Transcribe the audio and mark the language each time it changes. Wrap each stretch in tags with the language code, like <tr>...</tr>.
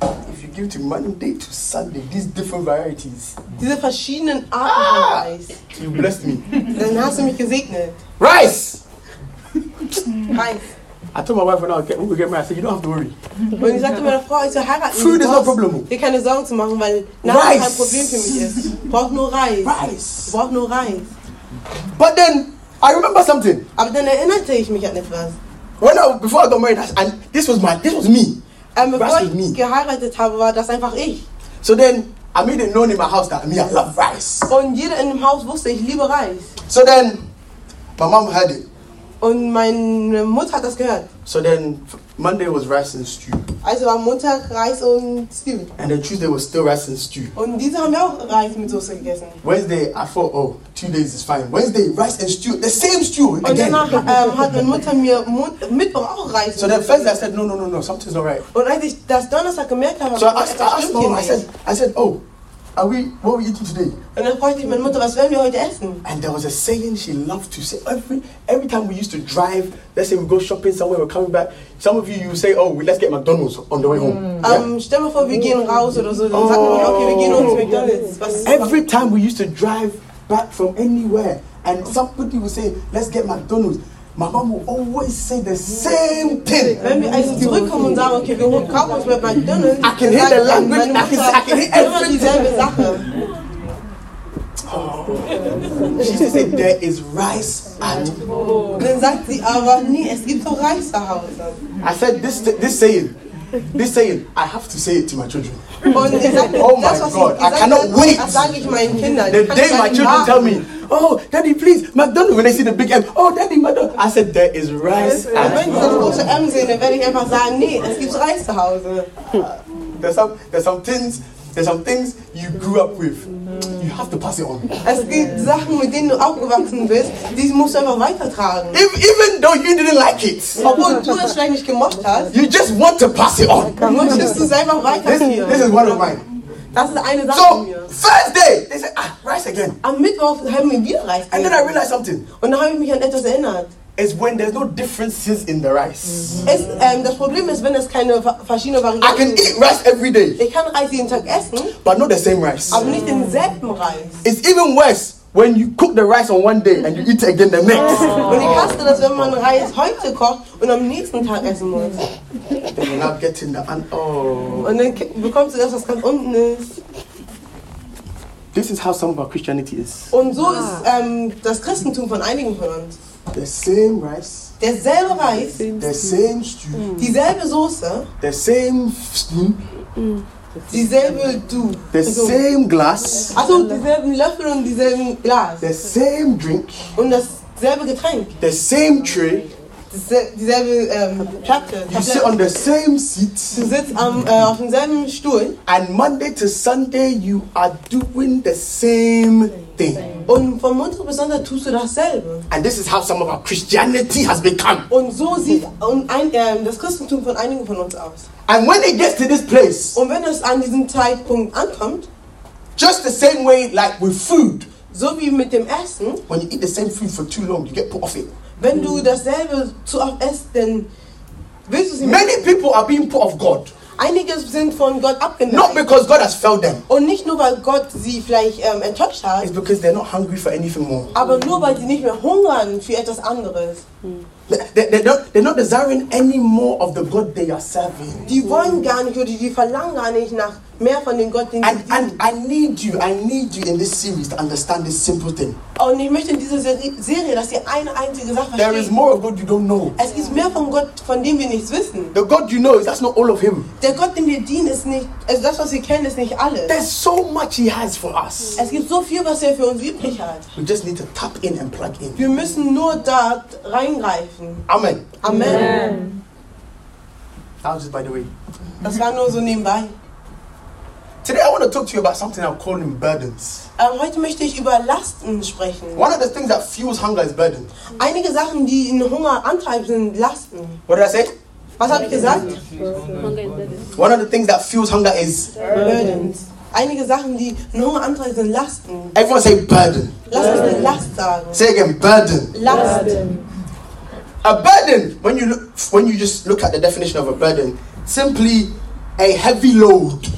<en>If you give to Monday to Sunday, these different varieties.</en> <de>Diese verschiedenen Arten von Reis.</de> <en>You blessed me.</en> <de>Dann hast du mich gesegnet. Reis. Reis.</de> <en>I told my wife when I get married, I said, you don't have to worry. When he said to my wife,</en> <de>so heiraten,</de> <en>food is no problem.</en> <de>Dir keine Sorgen zu machen, weil Nahrung kein Problem für mich ist. Brauch nur Reis. Reis. Brauch nur Reis.</de> <en>But then I remember something.</en> <de>Aber dann erinnerte ich mich an etwas.</de> <en>When before I got married, this was me.</en> <de>Bevor ich geheiratet habe, war das einfach ich.</de> <en>So then I made it known in my house that me, I love rice.</en> <de>Und jeder in dem Haus wusste, ich liebe Reis.</de> <en>So then my mom heard it.</en> <de>Und meine Mutter hat das gehört.</de> <en>So then Monday was rice and stew.</en> <de>Also am Montag Reis und Stew.</de> <en>And then Tuesday was still rice and stew.</en> <de>Und diese haben wir auch Reis mit Soße gegessen.</de> <en>Wednesday I thought, oh, 2 days is fine. Wednesday rice and stew, the same stew</en> <de>und</de> <en>again.</en> <de>Und danach hat meine Mutter mir Mittwoch auch Reis.</de> <en>So then Thursday I said, no, something's not right.</en> <de>Und als ich das Donnerstag gemerkt habe,</de> <en>so I said, oh. Are we? What are we eating today?</en> <de>Und dann fragte ich meine Mutter, was werden wir heute essen?</de> <en>And there was a saying she loved to say every time we used to drive. Let's say we go shopping somewhere, we're coming back. Some of you say, oh, let's get McDonald's on the way home.</en> <de>Stell dir vor, wir gehen raus oder so. Dann sagen wir, okay, wir gehen uns McDonald's. Was?</de> <en>Every time we used to drive back from anywhere, and somebody would say, let's get McDonald's. My mom will always say the same thing.</en> <de>Wenn wir also zurückkommen und sagen, okay, wir holen Kaffee mit McDonald's.</de> <en>I can hear the language. I can hear everything.</en> <de>Dieselbe Sache.</de> <en>Oh. She said there is rice at home.</en> <de>Dann sagt sie, aber nee, es gibt doch Reis zu Hause.</de> <en>I said this saying, I have to say it to my children.</en> <de>Und ich sagte,</de> <en>oh my God, I cannot wait.</en> <de>Das sage ich meinen Kindern.</de> <en>The day my children tell me, oh, daddy, please, McDonald's, when I see the big M, oh, daddy, McDonald's. I said, there is rice at home.</en> <de>Wenn sie das große M sehen, dann werde ich einfach sagen, nee, es gibt Reis zu Hause.</de> <en>There's some things you grew up with. You have to pass it on.</en> <de>Es gibt Sachen, mit denen du aufgewachsen bist, die musst du einfach weitertragen.</de> <en>Even though you didn't like it.</en> <de>Obwohl du es vielleicht nicht gemocht hast.</de> <en>You just want to pass it on.</en> <de>Du möchtest es einfach weitergeben.</de> <en>This is one of mine.</en> <de>Das ist eine Sache</de> <en>so,</en> <de>von mir.</de> <en>So, Thursday, they said, ah, rice again.</en> <de>Am Mittwoch haben wir wieder Reis gegessen.</de> <en>And then I realized something.</en> <de>Und dann habe ich mich an etwas erinnert.</de> <en>It's when there's no differences in the rice.</en> <de>Es, das Problem ist, wenn es keine verschiedene Varianten.</de> <en>I can eat rice every day.</en> <de>Ich kann Reis jeden Tag essen.</de> <en>But not the same rice.</en> <de>Aber nicht denselben Reis.</de> <en>It's even worse when you cook the rice on one day and you eat it again the next.</en> <de>Und ich hasse das, wenn man Reis heute kocht und am nächsten Tag essen muss.</de> <en>Then you're not getting the</en> <de>Und dann bekommst du das, was ganz unten ist.</de> <en>This is how some of our Christianity is.</en> <de>Und so ist das Christentum von einigen von uns.</de> <en>The same rice.</en> <de>Derselbe Reis.</de> <en>The same stew.</en> <de>Dieselbe Soße.</de> <en>The same stew.</en> <de>Dieselbe du.</de> <en>The same glass.</en> <de>Also dieselben Löffel und dieselben Glas.</de> <en>The same drink.</en> <de>Und dasselbe Getränk.</de> <en>The same tray.</en> <de>Dieselbe Platte.</de> <en>You sit on the same seat.</en> <de>Du sitzt auf demselben Stuhl.</de> <en>And Monday to Sunday you are doing the same thing.</en> <de>Und von Montag bis Sonntag tust du dasselbe.</de> <en>And this is how some of our Christianity has become.</en> <de>Und so sieht das Christentum von einigen von uns aus.</de> <en>And when it gets to this place.</en> <de>Und wenn es an diesem Zeitpunkt ankommt.</de> <en>Just the same way like with food.</en> <de>So wie mit dem Essen.</de> <en>When you eat the same food for too long, you get put off it.</en> <de>Wenn du dasselbe zu oft isst, dann willst du sie.</de> <en>Many people are being put off God.</en> <de>Einige sind von Gott abgeneigt.</de> <en>Not because God has failed them.</en> <de>Und nicht nur weil Gott sie vielleicht enttäuscht hat.</de> <en>It's because they're not hungry for anything more.</en> <de>Aber nur weil sie nicht mehr hungern für etwas anderes.</de> <en>They're not desiring any more of the God they are serving.</en> <de>Die wollen gar nicht oder die verlangen gar nicht nach mehr von dem Gott, den sie dienen.</de> <en>I need you in this series to understand this simple thing.</en> <de>Und ich möchte in dieser Serie, dass ihr eine einzige Sache versteht.</de> <en>There is more of God you don't know.</en> <de>Es gibt mehr von Gott, von dem wir nichts wissen.</de> <en>The God you know, that's not all of Him.</en> <de>Der Gott, den wir dienen, ist nicht, also das, was wir kennen, ist nicht alles.</de> <en>There's so much He has for us.</en> <de>Es gibt so viel, was er für uns übrig hat.</de> <en>We just need to tap in and plug in.</en> <de>Wir müssen nur da reingreifen.</de> <en>Amen.</en> <de>Amen.</de> <en>That was just by the way.</en> <de>Das war nur so nebenbei.</de> <en>Today I want to talk to you about something I'm calling burdens.</en> <de>Heute möchte ich über Lasten sprechen.</de> <en>One of the things that fuels hunger is burdens.</en> <de>Einige Sachen, die in Hunger antreiben, sind Lasten.</de> <en>What did I say?</en> <de>Was habe ich gesagt?</de> <en>One of the things that fuels hunger is</en> <de>burdens. Einige Sachen, die Hunger antreiben, sind Lasten.</de> <en>Everyone say burden.</en> <de>Lass uns eine Last sagen.</de> <en>Say again, burden.</en> <de>Lasten.</de> <en>A burden, when you just look at the definition of a burden, simply a heavy load.</en>